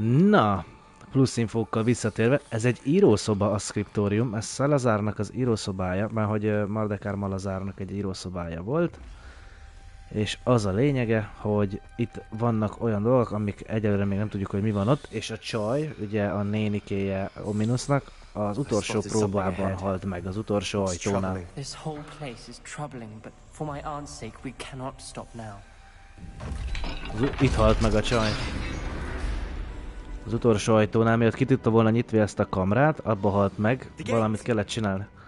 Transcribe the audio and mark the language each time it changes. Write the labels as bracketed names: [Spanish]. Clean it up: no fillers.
[Hungarian] Na, plusz infókkal visszatérve, ez egy írószoba a szkriptórium, ez Malazárnak az írószobája, mert hogy Mardekár Malazárnak egy írószobája volt, és az a lényege, hogy itt vannak olyan dolgok, amik egyelőre még nem tudjuk, hogy mi van ott, és a csaj, ugye a nénikéje Ominusnak, az utolsó próbában halt meg, az utolsó ajtónál. [English] This whole place is troubling, but for my aunt's sake we cannot stop now. [Hungarian] Itt halt meg a csaj. Az utolsó ajtónál, miatt kitudta volna nyitni ezt a kamrát, abba halt meg, valamit kellett csinálni.